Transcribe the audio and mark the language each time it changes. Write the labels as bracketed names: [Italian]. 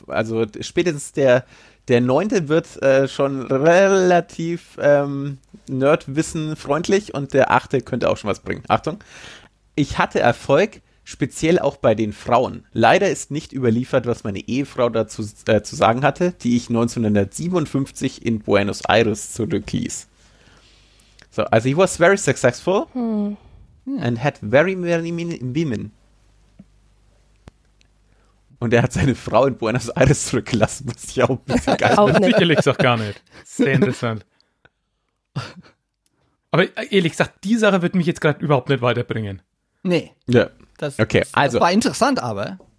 [German] Also spätestens der neunte wird schon relativ Nerdwissen-freundlich und der achte könnte auch schon was bringen. Achtung, ich hatte Erfolg. Speziell auch bei den Frauen. Leider ist nicht überliefert, was meine Ehefrau dazu zu sagen hatte, die ich 1957 in Buenos Aires zurückließ. [English] So, also he was very successful and had very many women. [German] Und er hat seine Frau in Buenos Aires zurückgelassen, was ich auch ein bisschen geil finde. Ich erlebe es auch gar nicht. Sehr interessant. Aber ehrlich gesagt, die Sache wird mich jetzt gerade überhaupt nicht weiterbringen. Nee. Ja. Yeah. Das war interessant, aber